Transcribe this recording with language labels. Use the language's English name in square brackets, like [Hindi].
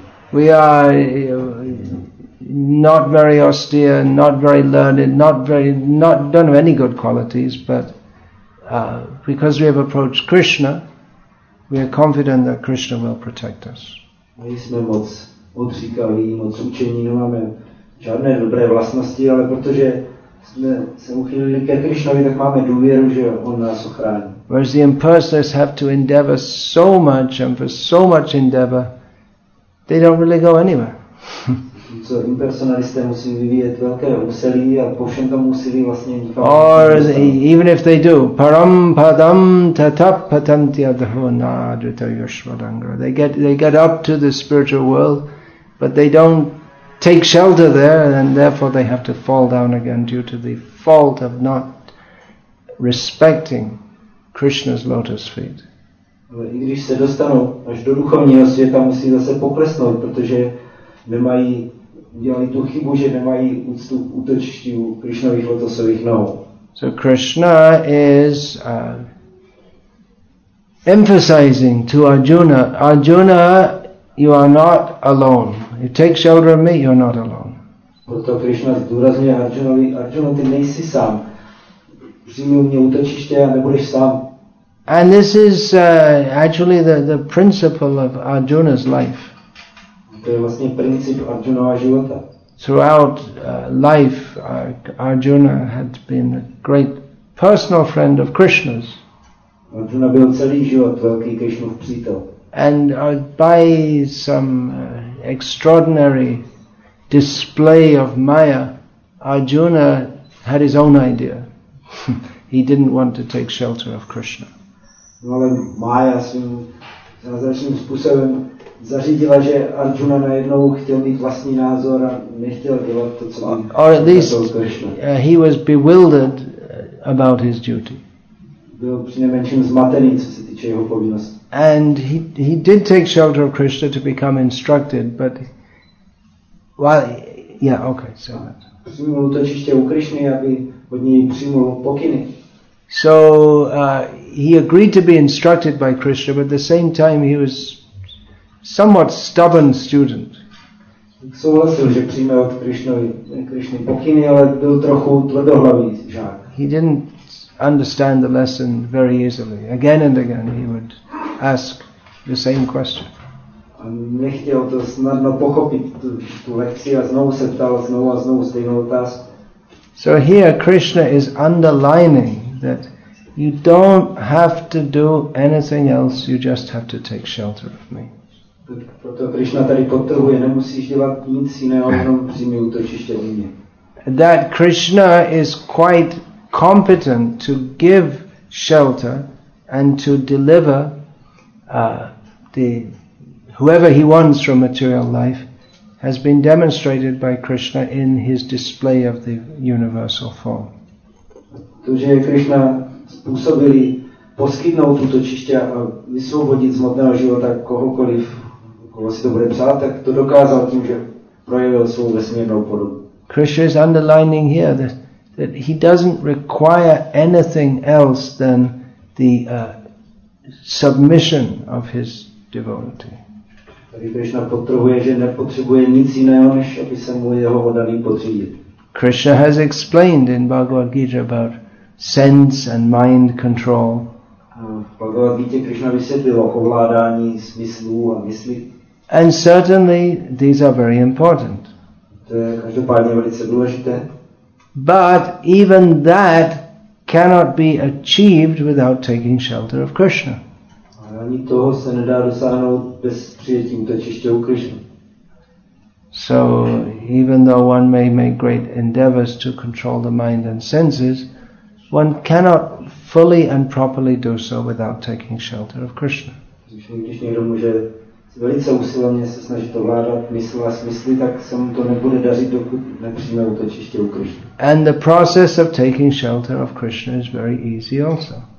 [English] We are not very austere, not very learned, don't have any good qualities, but because we have approached Krishna, we are confident that Krishna will protect us. [Czech] Nejsme moc odříkaví, moc učení, nemáme žádné dobré vlastnosti, ale protože jsme se uchylili ke Krishnovi, tak máme důvěru, že on nás ochrání. [English] Whereas the impersonalists have to endeavor so much, and for so much endeavor, they don't really go anywhere. [Czech] So impersonalisté musí vyvíjet velké úsilí a po všem tom úsilí vlastně nikam. [English] Or even if they do, [Sanskrit] param padam tatap patanti adhuna adrita yashvadangra. [English] They get up to the spiritual world, but they don't take shelter there, and therefore they have to fall down again due to the fault of not respecting Krishna's lotus feet. [Czech] Ale i když se dostanou až do duchovního světa, musí zase poklesnout, protože nemají, dělali tu chybu, že nemají úctu útočiště u Krishnových lotosových nohou. [English] So Krishna is emphasizing to Arjuna, Arjuna, you are not alone. You take shelter of me, you are not alone. [Czech] Proto Krishna zdůrazňuje Arjunovi, Arjuna, ty nejsi sám. Přijmi u mě útočiště a nebudeš sám. [English] And this is actually the principle of Arjuna's life. [Czech] To je vlastně princip Arjunova života. [English] Throughout life, Arjuna had been a great personal friend of Krishna's. [Czech] Arjuna byl celý život velký Krishnův přítel. [English] And by some extraordinary display of Maya, Arjuna had his own idea. He didn't want to take shelter of Krishna. [Czech] No ale Maya svým zázračným způsobem zařídila, že Arjuna najednou chtěl mít vlastní názor a nechtěl dělat to, co on. [English] Or at least he was bewildered about his duty. [Czech] Byl přinejmenším zmatený, co se týče jeho povinnosti. [English] And he did take shelter of Krishna to become instructed, but while he agreed to be instructed by Krishna, but at the same time he was somewhat stubborn student. [Czech] Souhlasil, že přijme od Krišny pokyny, ale byl trochu tvrdohlavý žák. [English] He didn't understand the lesson very easily. Again and again he would ask the same question. [Czech] Nechtěl to snadno pochopit, tu lekci, a znovu se ptal znovu a znovu stejnou otázku. [English] So here Krishna is underlining that you don't have to do anything else, you just have to take shelter of me. [Czech] Proto Krishna tady podtrhuje, nemusíš dělat nic jiného, jenom přijmi útočiště u mě. [English] That Krishna is quite competent to give shelter and to deliver whoever he wants from material life has been demonstrated by Krishna in his display of the universal form. [Czech] To, že je Krishna způsobilý poskytnout útočiště a vysvobodit z hmotného života kohokoliv, koho si to bude přát, tak to dokázal tím, že projevil svou vesmírnou podobu. [English] Krishna is underlining here that he doesn't require anything else than the submission of his devotee. [Czech] Tady Krishna potrhuje, že nepotřebuje nic jiného, než aby se mu jeho oddaný podřídit. [English] Krishna has explained in Bhagavad Gita about sense and mind control. [Czech] V Bhagavad Gita Krishna vysvětlil o ovládání smyslů a mysli. [English] And certainly these are very important. [Czech] To je každopádně velice důležité. [English] But even that cannot be achieved without taking shelter of Krishna. [Czech] Ani toho se nedá dosáhnout bez přijetí útočiště u Krishna. [English] So even though one may make great endeavors to control the mind and senses, one cannot fully and properly do so without taking shelter of Krishna. [Czech] Když někdo může velice usilovně se snažit ovládat mysl a smysly, tak se mu to nebude dařit, dokud nepřijme útočiště u Krishna. [English] And the process of taking shelter of Krishna is very easy also.